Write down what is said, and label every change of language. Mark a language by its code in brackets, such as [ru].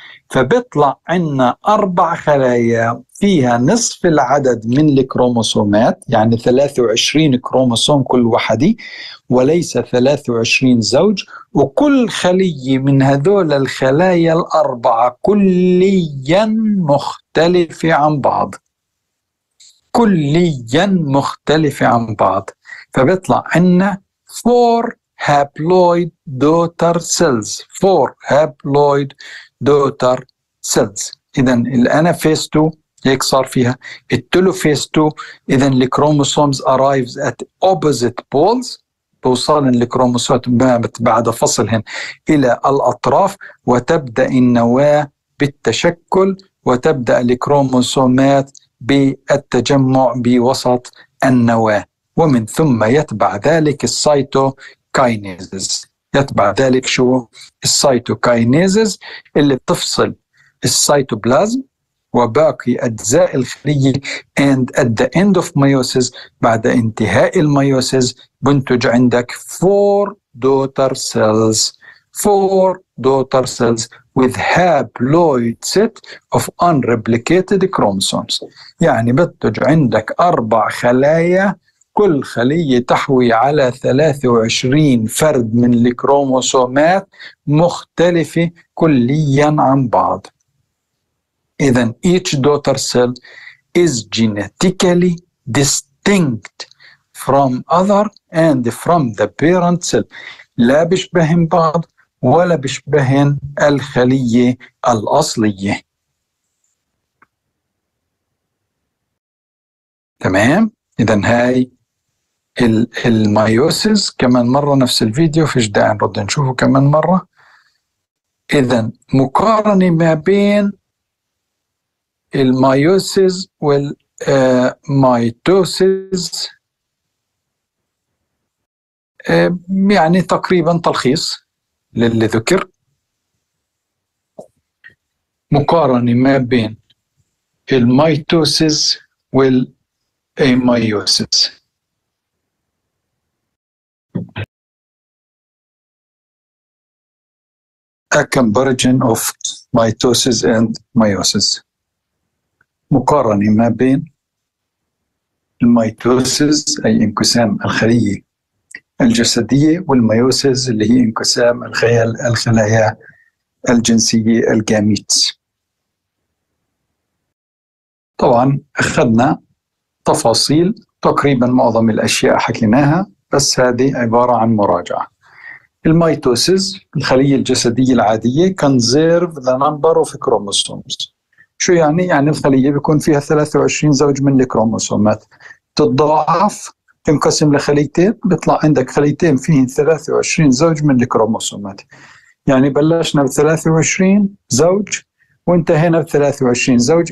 [ar] فبيطلع عنا أربع خلايا فيها نصف العدد من الكروموسومات، يعني 23 كروموسوم كل وحدي وليس 23 زوج، وكل خلية من هذول الخلايا الأربعة كليا مختلفة عن بعض، كليا مختلفة عن بعض. فبيطلع عنا [en] 4 haploid daughter cells، 4 haploid daughter cells. [ar] إذن الأنافيس 2 هيك صار فيها، التلوفيس 2 إذن الكروموسومز [en] arrives at opposite poles، [ar] بوصال الكروموسومات بامت بعد فصلهن إلى الأطراف، وتبدأ النواة بالتشكل وتبدأ الكروموسومات بالتجمع بوسط النواة، ومن ثم يتبع ذلك السيتوكاينيزز، يتبع ذلك شو؟ السيتوكاينيزز اللي بتفصل السيتوبلازم وباقي أجزاء الخلية. [en] And at the end of meiosis, [ar] بعد انتهاء الميوسيس بنتج عندك [en] four daughter cells. Four daughter cells with haploid set of unreplicated chromosomes. [ar] يعني بنتج عندك أربع خلايا كل خلية تحوي على 23 فرد من الكروموسومات مختلفة كليا عن بعض. [en] إذن each daughter cell is genetically distinct from other and from the parent cell. [ar] لا بشبهن بعض ولا بشبهن الخلية الأصلية. تمام؟ إذن هاي الميوسيس كمان مرة نفس الفيديو فيش داعي نرد نشوفه كمان مرة. إذن مقارنة ما بين الميوسيس والميتوسيس يعني تقريبا تلخيص للي ذكر. مقارنة ما بين الميتوسيس والميوسيس. [en] A comparison of mitosis and meiosis. [ar] مقارنة ما بين الميتوسيس أي انقسام الخلية الجسدية والميوسيس اللي هي انقسام الخلايا الجنسية الجاميت. طبعا أخذنا تفاصيل تقريبا معظم الأشياء حكيناها بس هذه عبارة عن مراجعة. الميتوسيس الخلية الجسدية العادية [en] conserve the number of chromosomes. [ar] شو يعني؟ يعني الخلية بيكون فيها 23 زوج من الكروموسومات تضاعف تنقسم لخليتين بيطلع عندك خليتين فيهن 23 زوج من الكروموسومات. يعني بلشنا ب 23 زوج وانتهينا ب 23 زوج.